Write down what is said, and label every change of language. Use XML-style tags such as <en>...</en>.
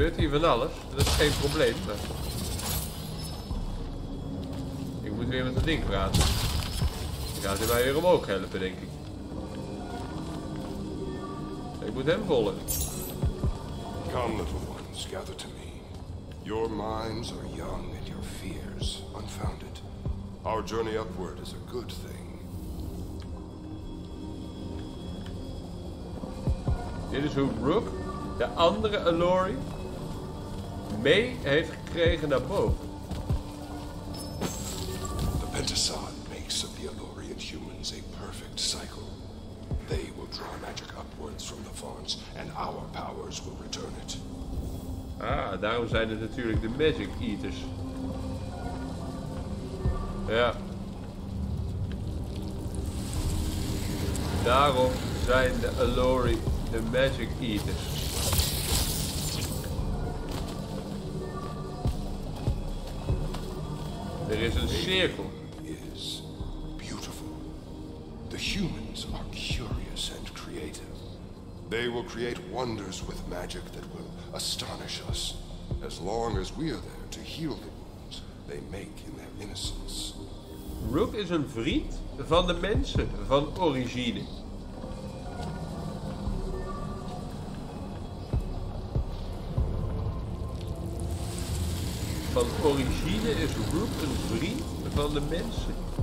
<nl>Van alles, dat is geen probleem. Ik moet moet weer met dat ding praten. Dan gaat hij mij weer omhoog helpen, denk ik. Ik moet hem volgen.</nl> <en>Come, little ones, gather to me. Your minds are young and your fears unfounded. Our journey upward is a good thing.</en> <nl>Dit is hoe Brooke, de andere Ellori, mee heeft gekregen naar boven.</nl> <en>The Pentasod makes of the Ellori and humans a perfect cycle. They will draw magic upwards from the fonts, and our powers will return it.</en> <nl>Ah, daarom zijn het natuurlijk de Magic Eaters. Ja. Daarom zijn de Ellori de Magic Eaters. Er is een cirkel.</nl> <en>Is beautiful. The humans are curious and creative. They will create wonders with magic that will astonish us. As long as we are there to heal the wounds they make in their innocence.</en> <nl>Rook is een vriend van de mensen van origine. Van origine is Rook een vriend van de mensen.</nl>